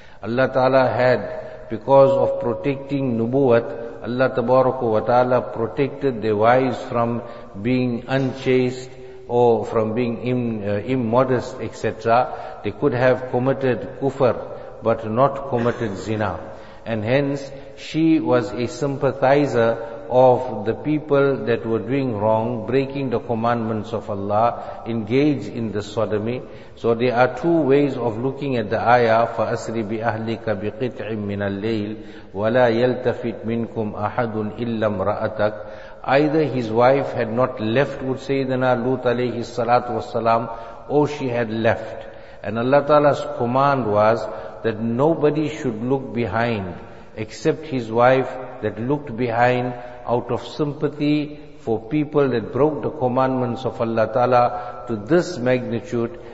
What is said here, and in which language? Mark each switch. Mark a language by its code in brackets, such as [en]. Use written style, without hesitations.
[en] Allah ta'ala had, because of protecting nubuwat, Allah tabaraka wa ta'ala protected their wives from being unchaste or from being immodest, etc. They could have committed kufr, but not committed zina. And hence, she was a sympathizer of the people that were doing wrong, breaking the commandments of Allah, engaged in the sodomy. So there are two ways of looking at the ayah, [ar] فَأَسْرِ بِأَهْلِكَ بِقِطْعٍ مِّنَ اللَّيْلِ وَلَا يَلْتَفِتْ مِنْكُمْ أَحَدٌ إِلَّا امْرَأَتَكَ. [en] Either his wife had not left, would Sayyidina Lut alayhi salatu wasalam, or she had left. And Allah Ta'ala's command was that nobody should look behind except his wife that looked behind out of sympathy for people that broke the commandments of Allah Ta'ala to this magnitude.